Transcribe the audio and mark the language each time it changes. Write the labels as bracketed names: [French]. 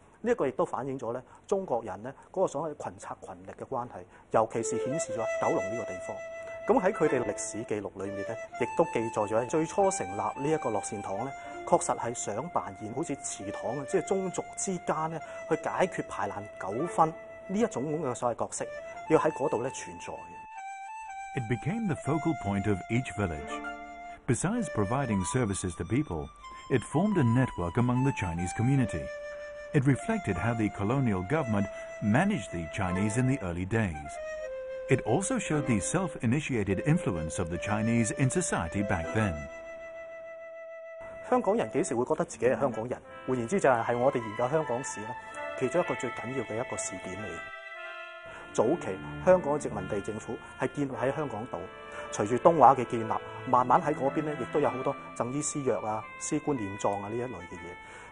[Cantonese] 呢一個亦都反映咗咧中國人咧嗰個所謂群策群力嘅關係，尤其是顯示咗九龍呢個地方。咁喺佢哋歷史記錄裏面咧，亦都記載咗最初成立呢一個樂善堂咧，確實係想扮演好似祠堂啊，即係宗族之間咧去解決排難糾紛呢一種咁嘅所謂角色，要喺嗰度咧存在 [English] 嘅。It became the focal point of each village. Besides providing services to people, it formed a network among the Chinese community. It reflected how the colonial government managed the Chinese in the early days. It also showed the self-initiated influence of the Chinese in society back then. [Cantonese] 香港人幾時會覺得自己係香港人？換言之，就係我哋研究香港史其中一個最緊要嘅一個時點嚟。早期香港殖民地政府係建立喺香港島，隨住東華嘅建立，慢慢喺嗰邊咧，亦都有好多贈醫施藥啊、施官殮葬啊呢一類嘅嘢。